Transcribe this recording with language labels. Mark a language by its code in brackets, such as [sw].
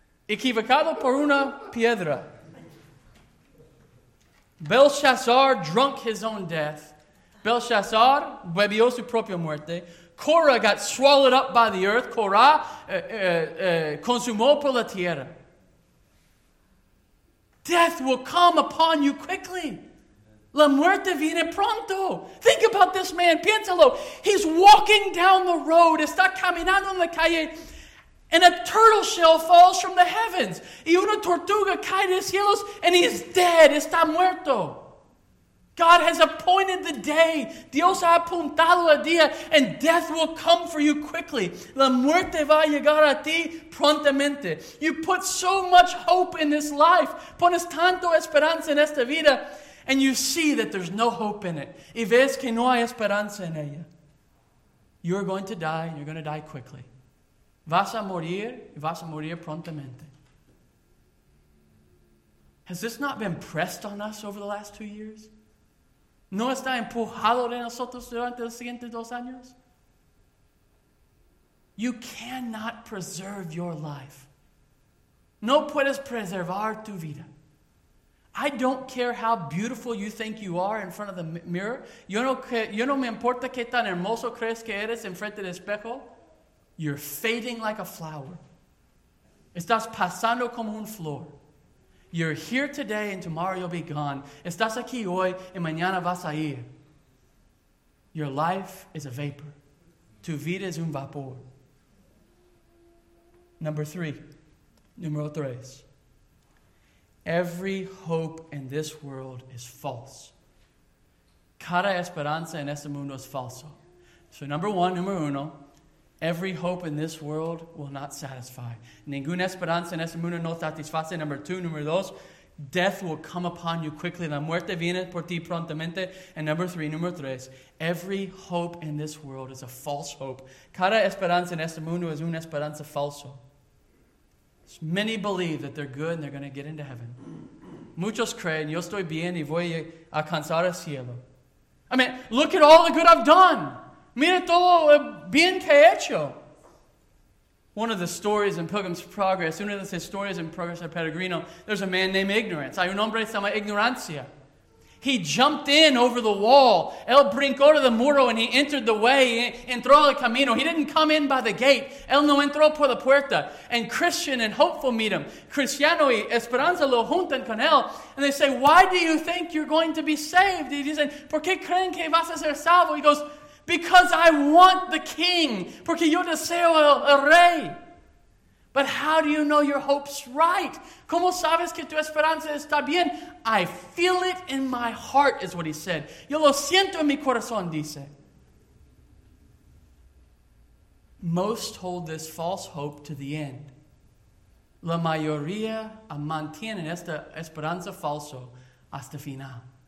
[es] Equivocado por una piedra. [en] Belshazzar drunk his own death. [es] Belshazzar bebió su propia muerte. [en] Korah got swallowed up by the earth. [es] Korah consumó por la tierra. [en] Death will come upon you quickly. [es] La muerte viene pronto. [en] Think about this man. [es] Piénsalo. [en] He's walking down the road. [es] Está caminando en la calle. [en] And a turtle shell falls from the heavens. [es] Y una tortuga cae de los cielos. [en] And he is dead. [es] Está muerto. [en] God has appointed the day. [es] Dios ha apuntado el día. [en] And death will come for you quickly. [es] La muerte va a llegar a ti prontamente. [en] You put so much hope in this life. [es] Pones tanto esperanza en esta vida. [en] And you see that there's no hope in it. [es] Y ves que no hay esperanza en ella. [en] You're going to die. You're going to die quickly. [es] Vas a morir. Vas a morir prontamente. [en] Has this not been pressed on us over the last 2 years? [es] ¿No está empujado de nosotros durante los siguientes 2 años? [en] You cannot preserve your life. [es] No puedes preservar tu vida. [en] I don't care how beautiful you think you are in front of the mirror. [es] Yo no me importa qué tan hermoso crees que eres en frente del espejo. [en] You're fading like a flower. [es] Estás pasando como un flor. [en] You're here today and tomorrow you'll be gone. [es] Estás aquí hoy y mañana vas a ir. [en] Your life is a vapor. [es] Tu vida es un vapor. Número tres. [en] Every hope in this world is false. [es] Cada esperanza en este mundo es falso. So número uno. [en] Every hope in this world will not satisfy. [es] Ninguna esperanza en este mundo no satisface. Número dos, [en] death will come upon you quickly. [es] La muerte viene por ti prontamente. [en] And número tres, every hope in this world is a false hope. [es] Cada esperanza en este mundo es una esperanza falsa. [en] Many believe that they're good and they're going to get into heaven. [es] Muchos creen, yo estoy bien y voy a alcanzar el cielo. [en] I mean, look at all the good I've done. [es] Mira todo bien que he hecho. [en] One of the stories in Pilgrim's Progress, [es] una de las historias en Progreso Peregrino, [en] there's a man named Ignorance. [es] Hay un hombre que se llama Ignorancia. [en] He jumped in over the wall. [es] Él brincó de el muro [en] and he entered the way. [es] Entró al camino. [en] He didn't come in by the gate. [es] Él no entró por la puerta. [en] And Christian and Hopeful meet him. [es] Cristiano y Esperanza lo juntan con él. [en] And they say, why do you think you're going to be saved? [es] Y dicen, ¿por qué creen que vas a ser salvo? [en] He goes, because I want the king. [es] Porque yo deseo el rey. [en] But how do you know your hope's right? [es] ¿Cómo sabes que tu esperanza está bien? [en] I feel it in my heart, is what he said. [es] Yo lo siento en mi corazón, dice. [en] Most hold this false hope to the end. [es] La mayoría mantiene esta esperanza falso hasta final.